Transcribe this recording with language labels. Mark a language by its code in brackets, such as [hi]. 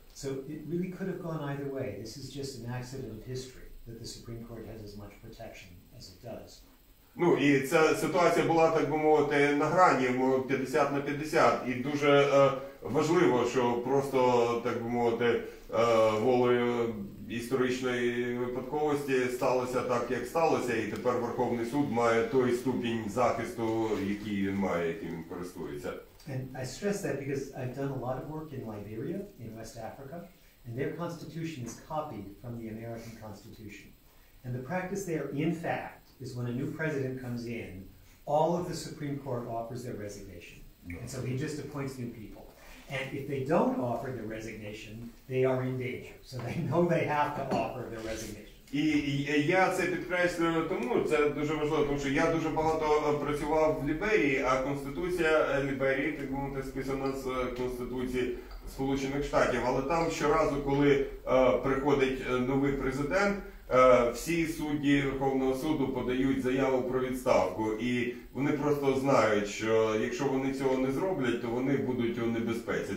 [en] So it really could have gone either way. This is just an accident of history that the Supreme Court has as much protection as it does. [uk] Ну і ця ситуація була, так би мовити, на грані, 50 на 50. І дуже важливо, що просто, так би мовити, волею історичної випадковості сталося так, як сталося, і тепер Верховний суд має той ступінь захисту, який він має, яким він користується. [en] And I stress that because I've done a lot of work in Liberia, in West Africa, and their constitution is copied from the American constitution. And the practice there, in fact, is when a new president comes in, all of the Supreme Court offers their resignation. And so he just appoints new people. And if they don't offer their resignation, they are in danger. So they know they have to offer their resignation. [uk] І я це підкреслюю тому, це дуже важливо, тому що я дуже багато працював в Ліберії, а Конституція Ліберії, так мовити, списана з Конституції Сполучених Штатів. Але там щоразу, коли приходить новий президент, всі судді Верховного суду подають заяву про відставку, і вони просто знають, що якщо вони цього не зроблять, то вони будуть у небезпеці.